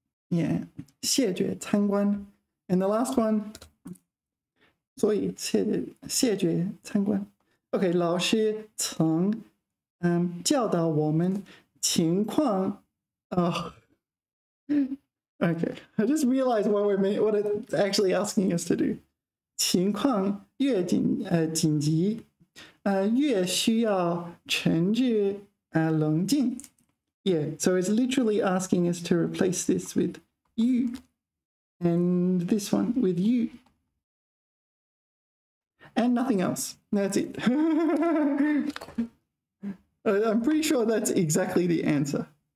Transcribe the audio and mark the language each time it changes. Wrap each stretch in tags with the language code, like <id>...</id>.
<en>Yeah,</en> <zh>谢绝参观.</zh> <en>And the last one,</en> <zh>所以谢绝参观. Okay, 老师曾 教导我们 情况.Oh.</zh> <en>Okay, I just realized what it's actually asking us to do.</en> <zh>情况越紧, 紧急, 越需要诚挚, 冷静.</zh> <en>Yeah, so it's literally asking us to replace this with you and this one with you. And nothing else. That's it. I'm pretty sure that's exactly the answer.</en>